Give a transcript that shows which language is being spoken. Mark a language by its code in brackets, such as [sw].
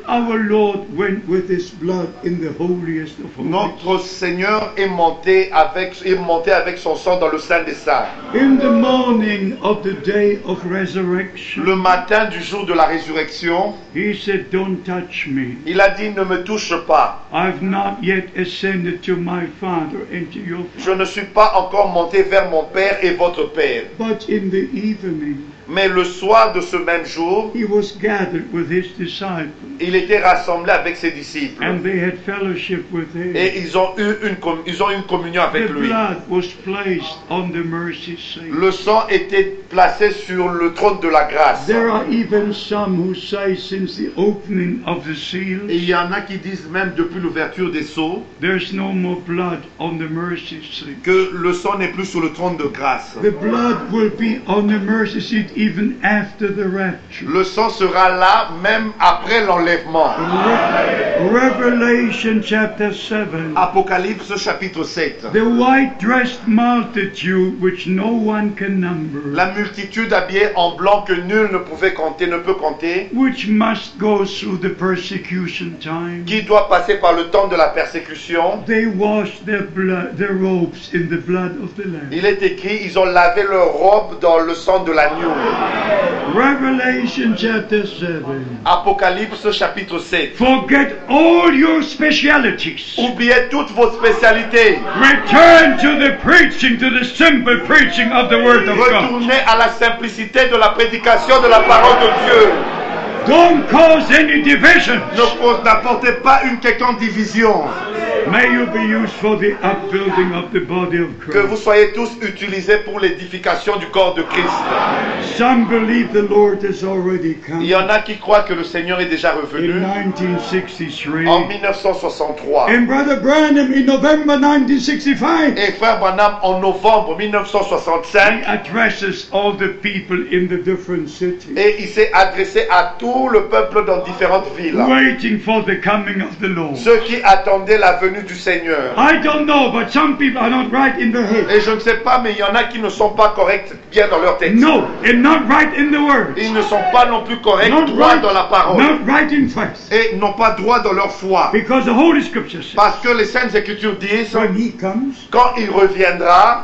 [en] Our Lord went with his blood in the holiest of holies. [fr] Notre Seigneur est monté avec son sang dans le Saint des Saints. [en] In the morning of the day of resurrection. [fr] Le matin du jour de la résurrection. [en] He said, "Don't touch me." [fr] Il a dit, ne me touche pas. [en] I've not yet ascended to my Father and to your Father. [fr] Je ne suis pas encore monté vers mon Père et votre Père. [en] But in the evening. [fr] Mais le soir de ce même jour, [en] he was gathered with his disciples. [fr] Il était rassemblé avec ses disciples. [en] And they had fellowship with him. [fr] Et ils ont eu une communion avec [en] the [fr] lui. [en] Blood was placed on the mercy seat. [fr] Le sang était placé sur le trône de la grâce. [en] There are even some who say since the opening of the seals, [fr] et il y en a qui disent même depuis l'ouverture des sceaux, [en] there's no more blood on the mercy seat. [fr] Que le sang n'est plus sur le trône de grâce. [en] The blood will be on the mercy seat. Even after the rapture. [fr] Le sang sera là même après l'enlèvement. [en] Revelation chapter 7. [fr] Apocalypse chapitre 7. [en] The white dressed multitude which no one can number. [fr] La multitude habillée en blanc que nul ne pouvait compter, ne peut compter. [en] Which must go through the persecution time. [fr] Qui doit passer par le temps de la persécution. [en] They wash their robes in the blood of the Lamb. [fr] Il est écrit, ils ont lavé leurs robes dans le sang de l'agneau. [en] Revelation chapter 7. [fr] Apocalypse chapitre 7. [en] Forget all your specialities. [fr] Oubliez toutes vos spécialités. [en] Return to the preaching, to the simple preaching of the word of God. [fr] Retournez à la simplicité de la prédication de la parole de Dieu. [en] Don't cause any divisions. [fr] N'apportez pas une quelconque division. [en] May you be used for the upbuilding of the body of Christ. [fr] Que vous soyez tous utilisés pour l'édification du corps de Christ. [en] Some believe the Lord has already come. [fr] Il y en a qui croient que le Seigneur est déjà revenu. [en] In 1963. [fr] En 1963. [en] And Brother Branham in November 1965. [fr] Et Frère Branham en novembre 1965. [en] He addresses all the people in the different cities. [fr] Et il s'est adressé à tout le peuple dans différentes villes. [en] Waiting for the coming of the Lord. [fr] Ceux qui attendaient la venue du Seigneur. [en] I don't know, but some people are not right in their head. [fr] Et je ne sais pas, mais il y en a qui ne sont pas corrects bien dans leur tête. [en] No, and not right in the words. [fr] Ils ne sont pas non plus corrects [en] not [fr] droit [en] right, [fr] dans la parole. [en] Not right in faith. [fr] Et n'ont pas droit dans leur foi. [en] Because the Holy Scripture says, [fr] parce que les Saintes Écritures disent, [en] when he comes, [fr] quand il reviendra,